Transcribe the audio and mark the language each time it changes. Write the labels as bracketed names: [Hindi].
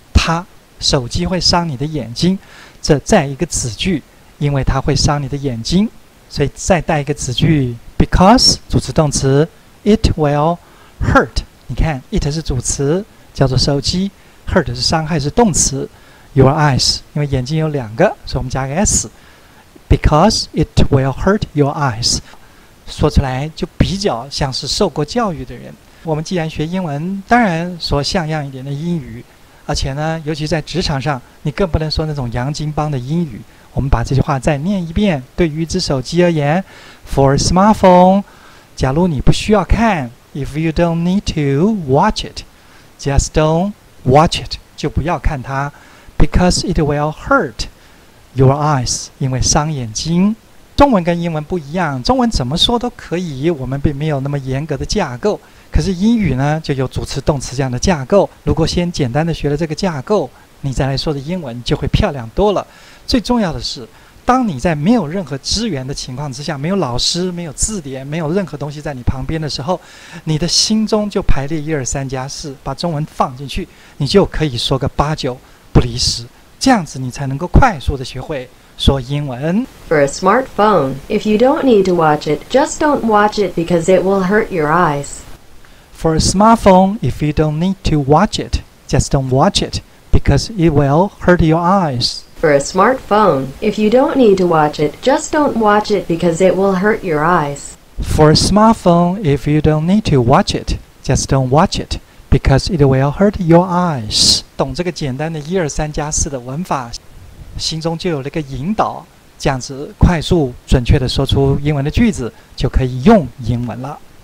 [Chinese] 他，手机会伤你的眼睛，这再一个子句，因为它会伤你的眼睛，所以再带一个子句， [English] because [Chinese] 主词动词， [English] it will hurt， [Chinese] 你看 it 是主词叫做手机， hurt 是伤害是动词， [English] your eyes， [Chinese] 因为眼睛有两个，所以我们加个 s， [English] because it will hurt your eyes， [Chinese] 说出来就比较像是受过教育的人。我们既然学英文，当然说像样一点的英语，而且呢，尤其在职场上，你更不能说那种洋泾浜的英语。我们把这句话再念一遍：对于一只手机而言 ， [English] for smartphone， [Chinese] 假如你不需要看 ， [English] if you don't need to watch it， [Chinese] just don't watch it， 就不要看它 ， [English] because it will hurt your eyes， [Chinese] 因为伤眼睛。中文跟英文不一样，中文怎么说都可以，我们并没有那么严格的架构。可是英语呢，就有主词动词这样的架构，如果先简单的学了这个架构，你再来说的英文就会漂亮多了。最重要的是，当你在没有任何资源的情况之下，没有老师，没有字典，没有任何东西在你旁边的时候，你的心中就排列一二三加四，把中文放进去，你就可以说个八九不离十，这样子你才能够快速的学会说英文。 [English] For a smartphone, if you don't need to watch it, just don't watch it because it will hurt your eyes. For a smartphone, if you don't need to watch it, just don't watch it because it will hurt your eyes. For a smartphone, if you don't need to watch it, just don't watch it because it will hurt your eyes. For a smartphone, if you don't need to watch it, just don't watch it because it will hurt your eyes. [Chinese] 懂这个简单的一二三加四的文法，心中就有了一个引导，这样子快速准确地说出英文的句子，就可以用英文了。